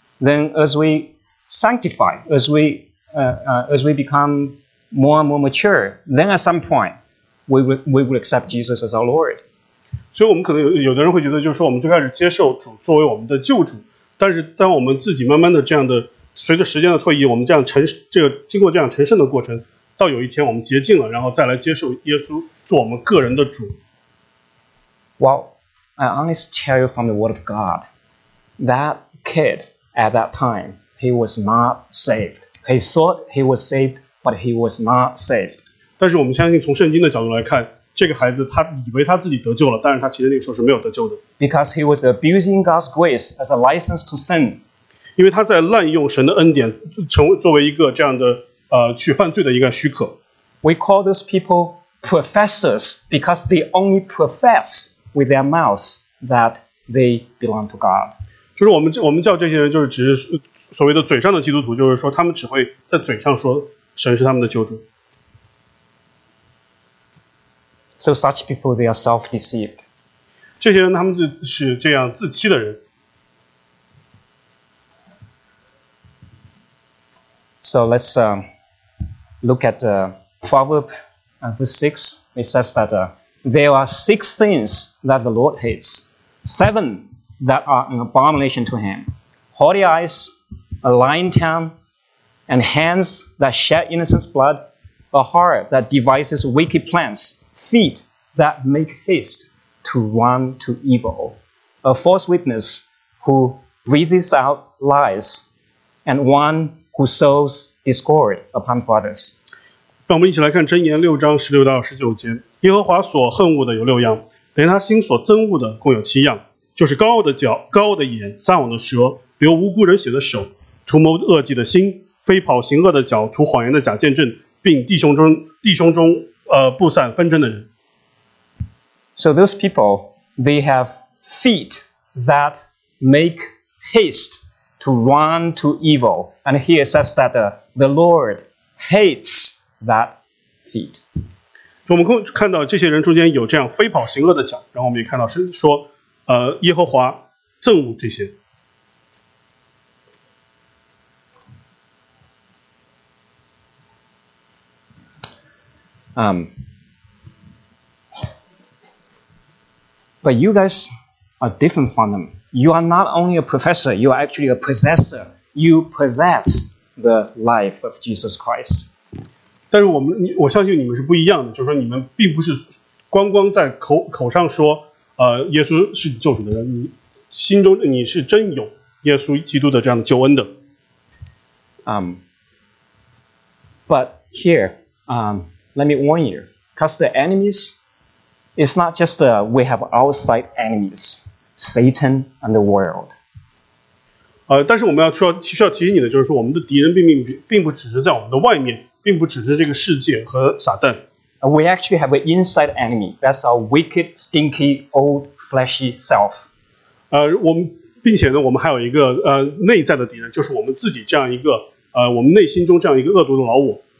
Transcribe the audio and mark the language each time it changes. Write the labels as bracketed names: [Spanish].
[English] Then as we sanctify, as we become more and more mature, then at some point we will accept Jesus as our Lord. [Chinese] 所以我们可能有的人会觉得，就是说我们最开始接受主作为我们的救主，但是当我们自己慢慢的这样的随着时间的推移，我们这样成这个经过这样成圣的过程，到有一天我们洁净了，然后再来接受耶稣做我们个人的主。 [English] Well, I honestly tell you from the word of God, that kid at that time he was not saved. He thought he was saved, but he was not saved. [Chinese] 但是我们相信，从圣经的角度来看，这个孩子他以为他自己得救了，但是他其实那个时候是没有得救的。 [English] Because he was abusing God's grace as a license to sin. [Chinese] 因为他在滥用神的恩典，作为一个这样的去犯罪的一个许可。 [English] We call those people professors because they only profess with their mouths that they belong to God. [Chinese] 就是我们叫这些人，就是只是所谓的嘴上的基督徒，就是说他们只会在嘴上说神是他们的救主。 [English] So such people they are self-deceived. [Chinese] 这些人他们是这样自欺的人。 [English] So let's look at Proverbs 6. It says that there are six things that the Lord hates, seven that are an abomination to him: haughty eyes, a lying tongue, and hands that shed innocent blood, a heart that devises wicked plans, feet that make haste to run to evil, a false witness who breathes out lies, and one who sows discord upon brothers. [Chinese] 让我们一起来看箴言六章十六到十九节。耶和华所恨恶的有六样，连他心所憎恶的共有七样，就是高傲的脚、高傲的眼、撒网的舌、流无辜人血的手、图谋恶计的心、飞跑行恶的脚、图谎言的假见证，并弟兄中不散纷争的人。 [English] So those people, they have feet that make haste. To run to evil. And here it says that the Lord hates that feet. [Chinese] 我们看到这些人中间有这样非跑行恶的脚，然后我们也看到是说耶和华憎恶这些。 [English] But you guys are different from them. You are not only a professor, you are actually a possessor. You possess the life of Jesus Christ. [Chinese] 但是我相信你们是不一样的，就是说你们并不是光光在口上说耶稣是救主的人，你心中你是真有耶稣基督的这样的救恩的。 [English] But here, let me warn you, because the enemies, it's not just we have outside enemies, Satan and the world. [Chinese] 但是我们需要提醒你的就是说我们的敌人并不只是在我们的外面，并不只是这个世界和撒旦。 [English] We actually have an inside enemy, that's our wicked, stinky, old, fleshy self. [Chinese] 并且呢我们还有一个内在的敌人，就是我们自己这样一个我们内心中这样一个恶毒的老我。